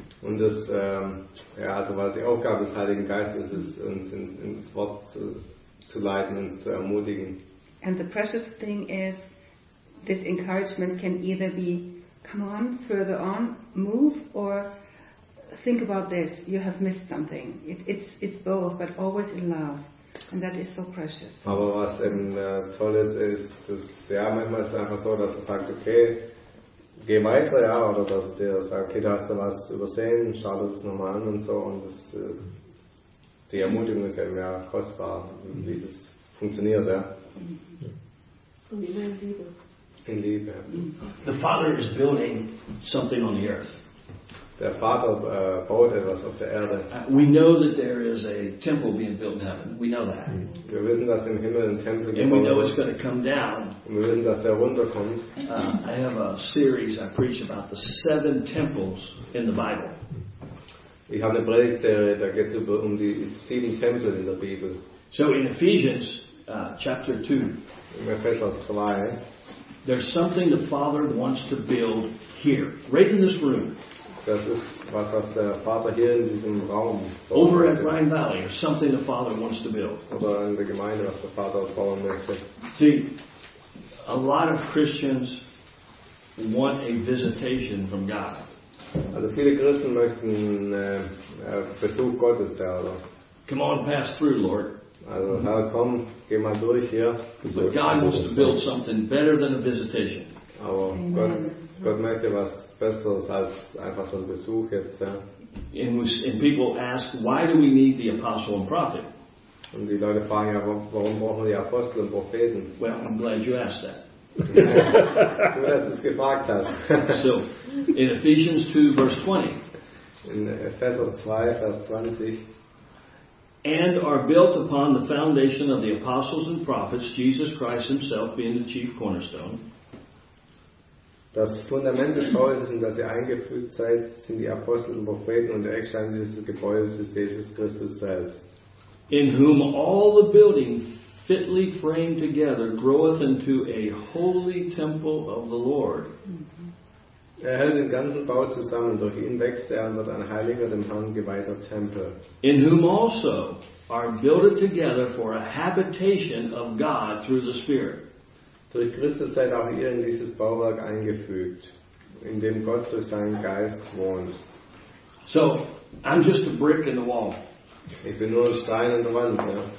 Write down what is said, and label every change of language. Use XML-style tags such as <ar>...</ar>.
<de>Und das weil die Aufgabe des Heiligen Geistes ist, uns ins Wort zu leiten, uns zu ermutigen.</de> <en>And the precious thing is, this encouragement can either be, come on, further on, move, or think about this, you have missed something. It's both, but always in love. And that is so precious.</en> <de>Aber was eben toll ist, dass manchmal ist es einfach so, dass es sagt, okay, geh weiter, ja, oder dass der sagt, okay, da hast du was übersehen, schau das nochmal an und so. Und das, die Ermutigung ist eben ja kostbar, wie das funktioniert, ja. Und immer in Liebe.</de> <en>Indeed, yeah. The Father is building something on the earth.</en> <de>Der Vater baut etwas auf der Erde.</de> <en>We know that there is a temple being built in heaven. We know that.</en> <de>Wir wissen, dass im Himmel ein Tempel gebaut wird.</de> <en>And we know it's going to come down.</en> <de>Und wir wissen, dass der runterkommt.</de> <en>I have a series I preach about the 7 temples in the Bible.</en> <de>Ich habe eine Predigtserie, da geht es um die 7 Tempel in der Bibel.</de> <en>So in Ephesians chapter 2.</en> <de>In Epheser 2.</de> <en>There's something the Father wants to build here, right in this room.</en> <de>Das ist was, was der Vater hier in diesem Raum baut.</de> <en>Over at Rhine Valley, something the Father wants to build.</en> <de>Oder in der Gemeinde, was der Vater bauen möchte.</de> <en>See, a lot of Christians want a visitation from God.</en> <de>Also viele Christen möchten Besuch Gottes, der oder.</de> <en>Come on, pass through, Lord.</en> <de>Also, Herr, komm, geh mal durch hier.</de> <en>But God wants to build something better than a visitation.</en> <de>Aber Gott möchte was Besseres als einfach so ein Besuch jetzt, ja.</de> <en>And people ask, why do we need the apostle and prophet?</en> <de>Und die Leute fragen ja, warum brauchen wir die Apostel und Propheten?</de> <en>Well, I'm glad you asked that.</en> <de>Du hast es gefragt hast.</de> <en>So, in Ephesians 2, verse 20.</en> <de>In Epheser 2, Vers 20.</de> <en>And are built upon the foundation of the apostles and prophets, Jesus Christ himself being the chief cornerstone.</en> <de>Das Fundament des Hauses, in das ihr eingefügt seid, sind die Apostel und Propheten, und der Eckstein dieses Gebäudes ist Jesus Christus selbst.</de> <en>In whom all the building fitly framed together groweth into a holy temple of the Lord.</en> <de>Er hält den ganzen Bau zusammen, durch ihn wächst er und wird ein heiliger, dem Herrn geweihter Tempel.</de> <en>In whom also are builded together for a habitation of God through the Spirit.</en> <de>Durch Christus seid auch ihr in dieses Bauwerk eingefügt, in dem Gott durch seinen Geist wohnt.</de> <en>So, I'm just a brick in the wall.</en> <de>Ich bin nur ein Stein in der Wand, ja.</de>